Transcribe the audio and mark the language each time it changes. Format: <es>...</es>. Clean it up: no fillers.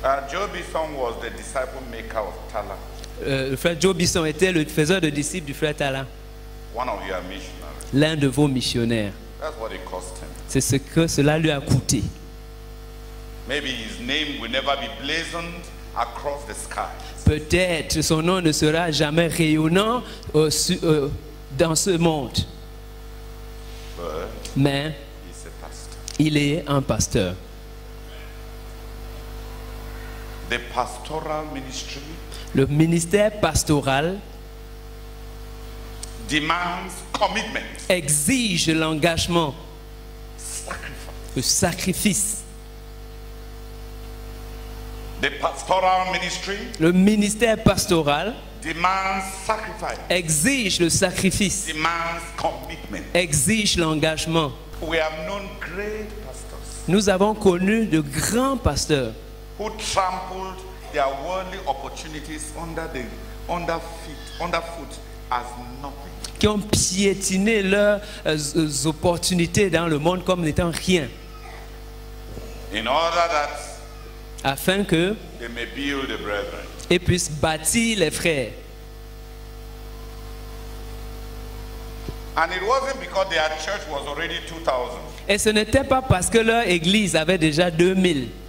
<en>Joe Bisson was the disciple maker of Tala.</en> <fr>Le frère Joe Bisson était le faiseur de disciples du frère Tala.</fr> <en>One of your missionaries.</en> <fr>L'un de vos missionnaires.</fr> <en>That's what it cost him.</en> <fr>C'est ce que cela lui a coûté.</fr> <en>Maybe his name will never be blazoned across the sky.</en> <fr>Peut-être son nom ne sera jamais rayonnant dans ce monde.</fr> <en>But</en> <fr>mais</fr> <en>he's a pastor.</en> <fr>Il est un pasteur.</fr> <en>The pastoral ministry.</en> <fr>Le ministère pastoral</fr> <en>demands commitment.</en> <fr>Exige l'engagement.</fr> <en>Sacrifice.</en> <fr>Le sacrifice.</fr> <en>The pastoral ministry.</en> <fr>Le ministère pastoral</fr> <en>demands sacrifice.</en> <fr>Exige le sacrifice.</fr> <en>Demands commitment.</en> <fr>Exige l'engagement.</fr> <en>We have known great pastors.</en> <fr>Nous avons connu de grands pasteurs.</fr> <en>Who trampled their worldly opportunities underfoot as nothing.</en> <fr>Qui ont piétiné leurs opportunités dans le monde comme n'étant rien.</fr> <en>In order that</en> <fr>afin que</fr> <en>they may build the brethren.</en> <fr>Et puissent bâtir les frères.</fr> <en>And it wasn't because their church was already 2,000.</en> <fr>Et ce n'était pas parce que leur église avait déjà 2000.</fr>